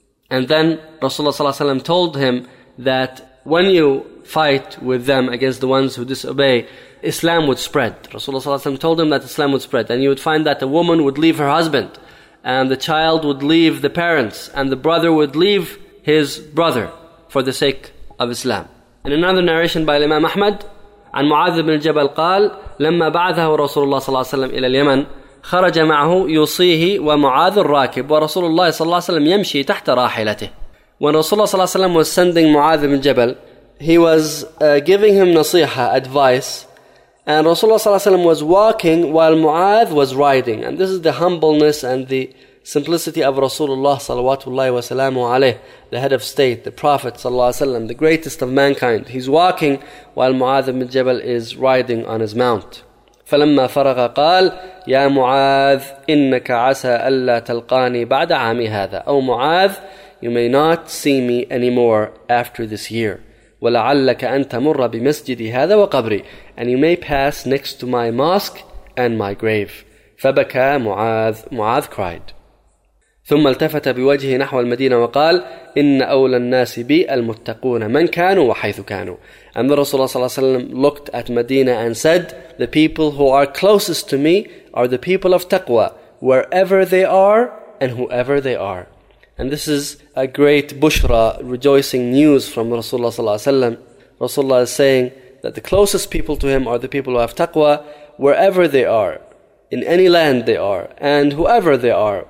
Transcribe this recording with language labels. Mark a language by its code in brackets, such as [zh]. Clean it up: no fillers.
[en] And then Rasulullah ﷺ told him that when you fight with them against the ones who disobey, Islam would spread. Rasulullah ﷺ told him that Islam would spread. And you would find that a woman would leave her husband, and the child would leave the parents, and the brother would leave his brother for the sake of Islam. In another narration by Imam Ahmad, [ar] عن معاذ بن الجبل قال لما بعثه رسول الله صلى الله عليه وسلم إلى اليمن خرج معه يوصيه ومعاذ الراكب ورسول الله صلى الله عليه وسلم يمشي تحت راحلته. [en] When Rasulullah صلى الله عليه وسلم was sending معاذ بن الجبل, he was giving him نصيحة, advice, and Rasulullah صلى الله عليه وسلم was walking while معاذ was riding. And this is the humbleness and the simplicity of Rasulullah صلواته الله وسلامه عليه, the head of state, the Prophet صلى الله عليه وسلم, the greatest of mankind. He's walking while معاذ بن جبل is riding on his mount. [ar] فلما فرغ قال يا معاذ إنك عسى ألا تلقاني بعد عامي هذا. أو معاذ, [en] you may not see me anymore after this year. [ar] ولعلك أن تمر بمسجدي هذا وقبري. [en] And you may pass next to my mosque and my grave. [ar] فبكى معاذ, [en] معاذ cried. [ar] ثم التفت بوجهه نحو المدينة وقال إن أولى الناس بي المتقون من كانوا وحيث كانوا. [en] And the Rasulullah صلى الله عليه وسلم looked at Medina and said, the people who are closest to me are the people of taqwa, wherever they are and whoever they are. And this is a great bushra, rejoicing news from Rasulullah صلى الله عليه وسلم. Rasulullah is saying that the closest people to him are the people who have taqwa, wherever they are, in any land they are, and whoever they are.